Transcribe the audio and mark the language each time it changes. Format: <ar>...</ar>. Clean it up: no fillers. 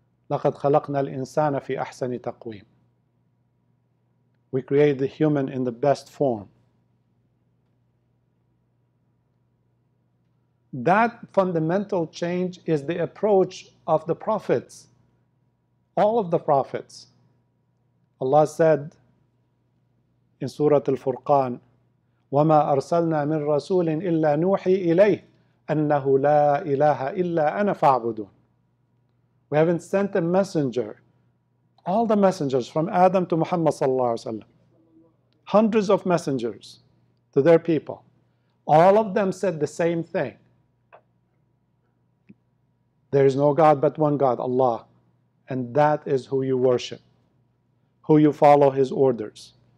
<ar>لَقَدْ خَلَقْنَا الْإِنسَانَ فِي أَحْسَنِ تَقْوِيمٍ.</ar> <en>We create the human in the best form. That fundamental change is the approach of the prophets, all of the prophets. Allah said in Surah Al-Furqan,</en> <ar>وَمَا أَرْسَلْنَا مِنْ رَسُولٍ إِلَّا نُوحِي إِلَيْهِ أَنَّهُ لَا إِلَهَ إِلَّا أَنَا فَاعْبُدُونَ.</ar> <en>We haven't sent a messenger, all the messengers from Adam to Muhammad sallallahu alaihi wasallam, hundreds of messengers to their people. All of them said the same thing. There is no God but one God, Allah. And that is who you worship, who you follow his orders.</en>